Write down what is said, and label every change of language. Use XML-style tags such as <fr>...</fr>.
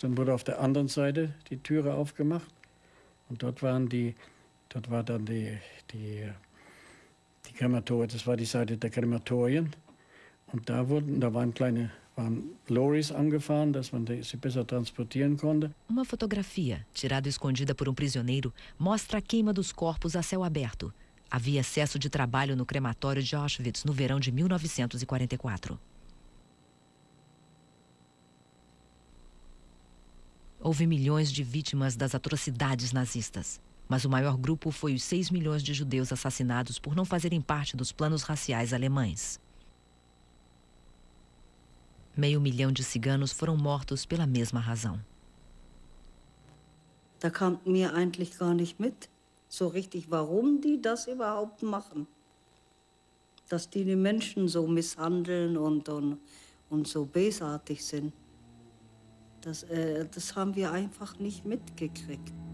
<de>Dann wurde auf der anderen Seite die Türe aufgemacht. Und dort waren die Krematorien. Das war die Seite der Krematorien. Und da waren Lorries angefahren, dass man sie besser transportieren konnte.</de> <pt>Uma fotografia, tirada escondida por prisioneiro, mostra a queima dos corpos a céu aberto. Havia excesso de trabalho no crematório de Auschwitz no verão de 1944. Houve milhões de vítimas das atrocidades nazistas. Mas o maior grupo foi os 6 milhões de judeus assassinados por não fazerem parte dos planos raciais alemães. Meio milhão de ciganos foram mortos pela mesma razão.</pt> <de>Da kam mir eigentlich gar nicht mit, so richtig, warum die das überhaupt machen. Dass die Menschen so misshandeln und so bösartig sind. Das haben wir einfach nicht mitgekriegt.</de>